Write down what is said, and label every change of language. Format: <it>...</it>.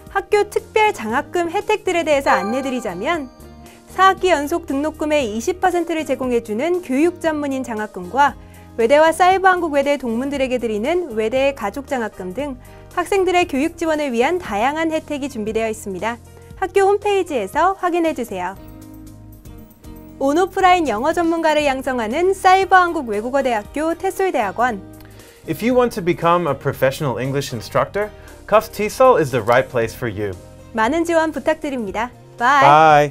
<ko>학교 특별 장학금 혜택들에 대해서 안내드리자면 4학기 연속 등록금의 20%를 제공해주는 교육전문인 장학금과 외대와 사이버한국외대 동문들에게 드리는 외대의 가족장학금 등 학생들의 교육 지원을 위한 다양한 혜택이 준비되어 있습니다. 학교 홈페이지에서 확인해주세요. 온오프라인 영어 전문가를 양성하는 사이버한국외국어대학교 테솔대학원.</ko> <en>If you want to become a professional English instructor, CUFTESOL is the right place for you.</en> <ko>많은 지원 부탁드립니다.</ko> <en>Bye!</en>